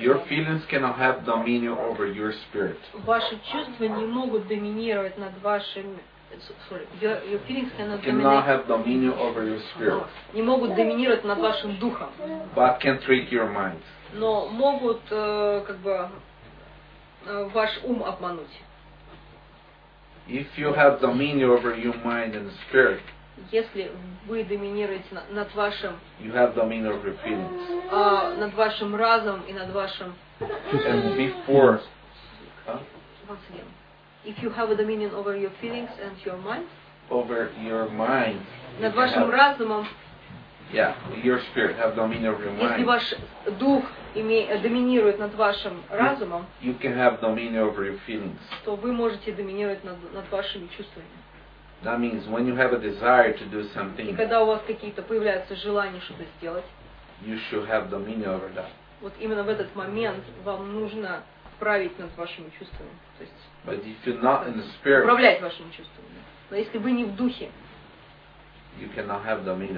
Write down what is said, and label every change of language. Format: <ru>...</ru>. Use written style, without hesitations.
<en>your feelings cannot have dominion over your spirit.</en> <ru>Ваши чувства не могут доминировать над вашим.</ru> <en>Your feelings cannot have dominion over your spirit.</en> <ru>Не могут доминировать над вашим духом.</ru> <en>But can trick your mind.</en> <ru>Но могут как бы ваш ум обмануть.</ru> <en>If you have dominion over your mind and spirit.</en> <ru>Если вы доминируете над вашим,</ru> <en>you have dominion over your feelings.</en> <ru>Над вашим разумом и над вашим.</ru> <en>And before. Once again. If you have a dominion over your feelings and your mind. Over your mind.</en> <ru>Над вашим разумом.</ru> <en>Yeah, your spirit have dominion over your mind.</en> <ru>Если ваш дух доминирует над вашим разумом,</ru> <en>you can have dominion over your feelings.</en> <ru>То вы можете доминировать над вашими чувствами.</ru> <en>That means when you have a desire to do something.</en> <ru>И когда у вас какие-то появляются желания что-то сделать.</ru> <en>You should have dominion over that.</en> <ru>Вот именно в этот момент вам нужно править над вашими чувствами. То есть.</ru> <en>But if you're not in the spirit.</en> <ru>Управлять вашими чувствами. Но если вы не в духе.</ru> <en>You cannot have dominion.</en>